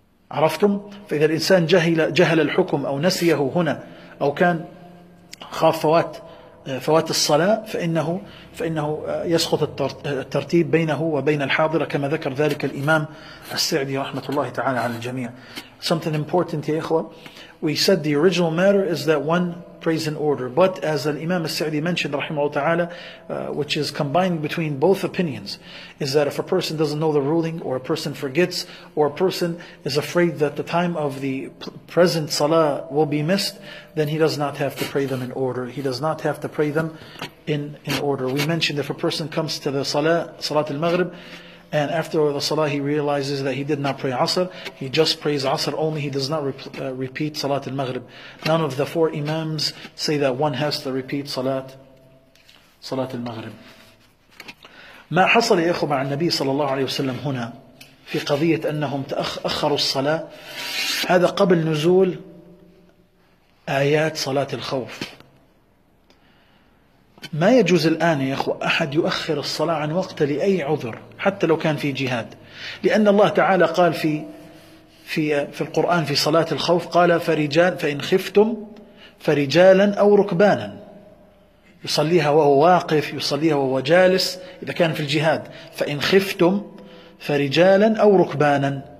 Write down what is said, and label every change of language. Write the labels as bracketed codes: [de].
[ar] عرفتم؟ فإذا الإنسان جهل الحكم أو نسيه هنا أو كان خاف فوات الصلاة، فإنه يسقط الترتيب بينه وبين الحاضرة، كما ذكر ذلك الإمام السعدي رحمة الله تعالى على الجميع. [en] Something important [ar] يا إخوة، [en] we said the original matter is that one prays in order, but as al-Imam al-Sa'di mentioned [ar] رحمه الله تعالى, [en] which is combined between both opinions, is that if a person doesn't know the ruling, or a person forgets, or a person is afraid that the time of the present salah will be missed, then he does not have to pray them in order. He does not have to pray them in order. We mentioned if a person comes to the salah, salat al-Maghrib, and after the salah he realizes that he did not pray Asr, he just prays Asr only, he does not repeat Salat al-Maghrib. None of the four imams say that one has to repeat Salat al-Maghrib. [ar] ما حصل يا إخوة مع النبي صلى الله عليه وسلم هنا في قضية أنهم تأخروا الصلاة، هذا قبل نزول آيات صلاة الخوف. ما يجوز الآن يا أخوة أحد يؤخر الصلاة عن وقت لأي عذر، حتى لو كان في جهاد، لأن الله تعالى قال في القرآن في صلاة الخوف، قال فرجال فإن خفتم فرجالا أو ركبانا، يصليها وهو واقف، يصليها وهو جالس إذا كان في الجهاد، فإن خفتم فرجالا أو ركبانا.